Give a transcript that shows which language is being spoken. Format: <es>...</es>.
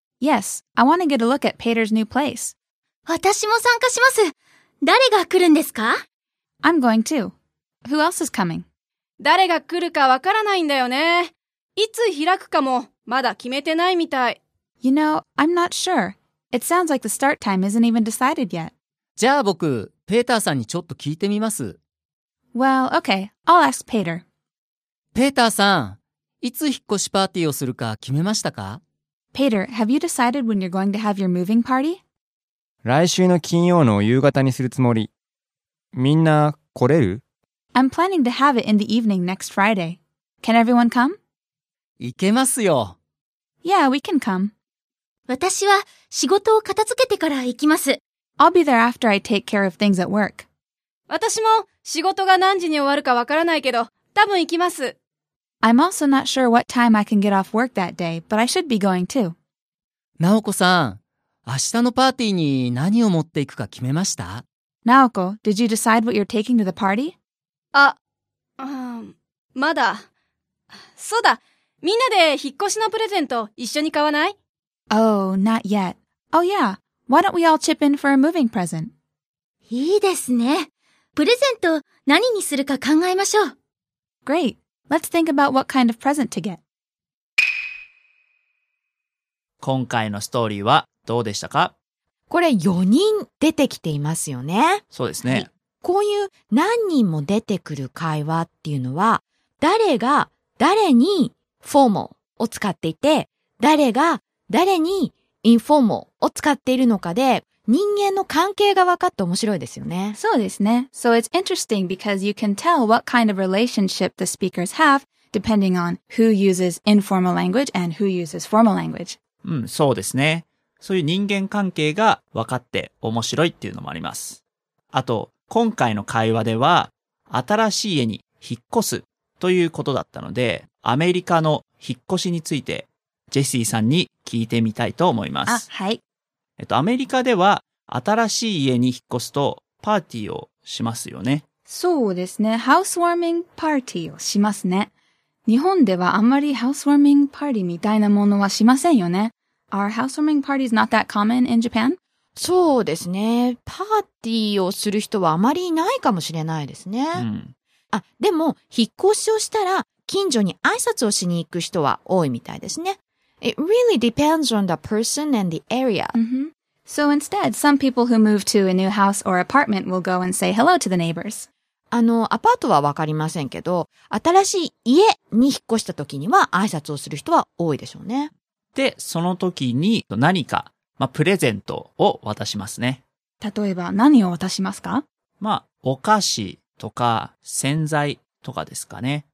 <en>Yes, I want to get a look at Peter's new place.</en> <ja>私も参加します。誰が来るんですか？</ja> <en>I'm going too. Who else is coming?</en> <ja>誰が来るかわからないんだよね。いつ開くかもまだ決めてないみたい。</ja> <en>You know, I'm not sure. It sounds like the start time isn't even decided yet.</en> <ja>じゃあ僕、ペーターさんにちょっと聞いてみます。</ja> <en>Well, okay. I'll ask Peter.</en> <ja>ペーターさん、いつ引っ越しパーティーをするか決めましたか？</ja> <en>Peter, have you decided when you're going to have your moving party?</en> <ja>来週の金曜の夕方にするつもり。みんな来れる？</ja> <en>I'm planning to have it in the evening next Friday. Can everyone come?</en> <ja>行けますよ。</ja> <en>Yeah, we can come.</en> <ja>私は仕事を片付けてから行きます。</ja> <en>I'll be there after I take care of things at work.</en> <ja>私も仕事が何時に終わるかわからないけど、多分行きます。</ja> <en>I'm also not sure what time I can get off work that day, but I should be going too.</en> <ja>ナオコさん、明日のパーティーに何を持っていくか決めました？</ja> <en>ナオコ、did you decide what you're taking to the party?</en> <ja>あ、まだ。そうだ、みんなで引っ越しのプレゼント一緒に買わない？</ja> <en>Oh, not yet. Oh yeah, why don't we all chip in for a moving present?</en> <ja>いいですね。プレゼント何にするか考えましょう。</ja> <en>Great, Let's think about what kind of present to get.</en> <ja>今回のストーリーはどうでしたか？これ4人出てきていますよね。そうですね。こういう何人も出てくる会話っていうのは、誰が誰にフォーマルを使っていて、誰が誰にインフォーマルを使っているのかで、人間の関係が分かって面白いですよね。そうですね。</ja> <en>So it's interesting because you can tell what kind of relationship the speakers have depending on who uses informal language and who uses formal language.</en> <ja>うん、そうですね。そういう人間関係が分かって面白いっていうのもあります。あと、今回の会話では、新しい家に引っ越すということだったので、アメリカの引っ越しについて、ジェシーさんに聞いてみたいと思います。あ、はい。アメリカでは新しい家に引っ越すとパーティーをしますよね。そうですね。ハウスウォーミングパーティーをしますね。日本ではあんまりハウスウォーミングパーティーみたいなものはしませんよね。</ja> <en>Are housewarming parties not that common in Japan?</en> <ja>そうですね。パーティーをする人はあまりいないかもしれないですね。うん。あ、でも引っ越しをしたら近所に挨拶をしに行く人は多いみたいですね。</ja> <en>It really depends on the person and the area. Mm-hmm. So instead, some people who move to a new house or apartment will go and say hello to the neighbors.</en> <ja>あの、アパートはわかりませんけど、新しい家に引っ越した時には挨拶をする人は多いでしょうね。で、その時に何か、まあ、プレゼントを渡しますね。例えば何を渡しますか？まあ、お菓子とか洗剤とかですかね。</ja>